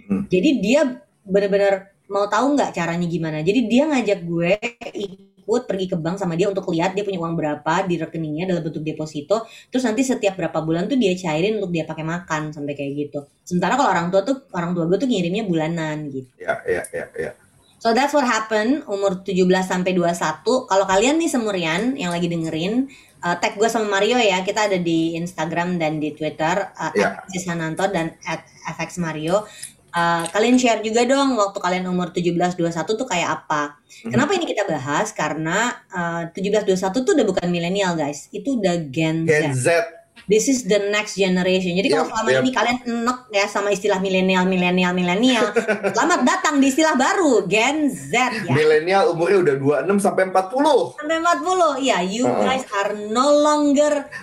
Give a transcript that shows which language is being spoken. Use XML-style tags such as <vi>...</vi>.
<id>Jadi dia benar-benar mau tahu nggak caranya gimana. Jadi dia ngajak gue ikut pergi ke bank sama dia untuk lihat dia punya uang berapa di rekeningnya dalam bentuk deposito. Terus nanti setiap berapa bulan tuh dia cairin untuk dia pakai makan sampai kayak gitu. Sementara kalau orang tua gue tuh ngirimnya bulanan gitu. Ya.</id> <en>So that's what happened</en> <id>umur 17 sampai 21. Kalau kalian nih semurian yang lagi dengerin, tag gue sama Mario ya. Kita ada di Instagram dan di Twitter @Sisananto dan @FXMario. Kalian share juga dong waktu kalian umur 17-21 tuh kayak apa. Kenapa ini kita bahas? Karena 17-21 tuh udah bukan milenial guys, itu udah Gen Z.</id> <en>This is the next generation.</en> <id>Jadi kalau selama ini kalian enek ya sama istilah milenial, selamat datang di istilah baru, Gen Z ya. Milenial umurnya udah 26 sampai 40. Iya,</id> <en>you guys are no longer</en>